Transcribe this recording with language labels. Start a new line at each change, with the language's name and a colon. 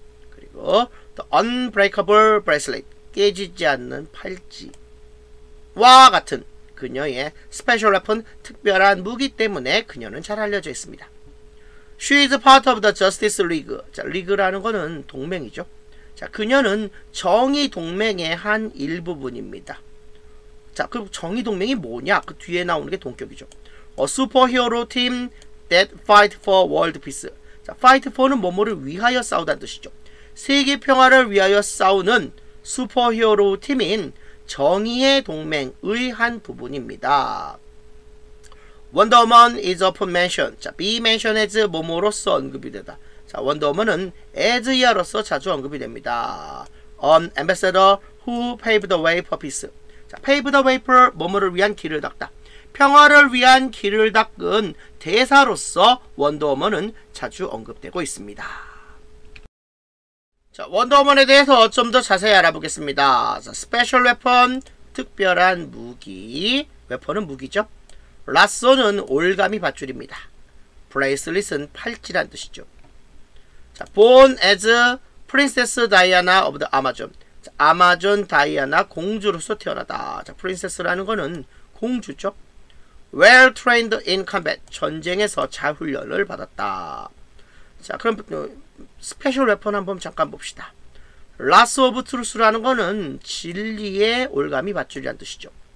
Korean: 그리고
English: The unbreakable bracelet,
Korean: 깨지지 않는 팔찌와 같은 그녀의 스페셜 웨폰, 특별한 무기 때문에 그녀는 잘 알려져 있습니다.
English: She is part of the Justice League.
Korean: 자, 리그라는 거는 동맹이죠. 자, 그녀는 정의 동맹의 한 일부분입니다. 자, 그럼 정의 동맹이 뭐냐? 그 뒤에 나오는 게 동격이죠.
English: A superhero team that fight for world peace.
Korean: 자, fight for는 뭐뭐를 위하여 싸우다는 뜻이죠. 세계 평화를 위하여 싸우는 슈퍼히어로 팀인 정의의 동맹의 한 부분입니다.
English: Wonder Woman is often mentioned. 자, be mentioned as
Korean: 뭐뭐로서 언급이 되다. 자, Wonder Woman은 as ER로서 자주 언급이 됩니다.
English: An ambassador who paved the way for peace.
Korean: 자,
English: paved the way for
Korean: 뭐뭐를 위한 길을 닦다. 평화를 위한 길을 닦은 대사로서 Wonder Woman은 자주 언급되고 있습니다. 자, 원더우먼에 대해서 좀 더 자세히 알아보겠습니다. 자, 스페셜 웨폰, 특별한 무기, 웨퍼는 무기죠. 라쏘는 올가미 밧줄입니다. 브레이슬릿은 팔찌란 뜻이죠.
English: 자, born as Princess Diana of the Amazon.
Korean: 자, 아마존 다이아나 공주로서 태어나다. 자, princess라는 거는 공주죠.
English: Well trained in combat.
Korean: 전쟁에서 잘 훈련을 받았다. 자, 그럼 스페셜 웨폰 한번 잠깐 봅시다.
English: Lasso of Truth
Korean: 라는 거는 진리의 올가미 밧줄이란 뜻이죠.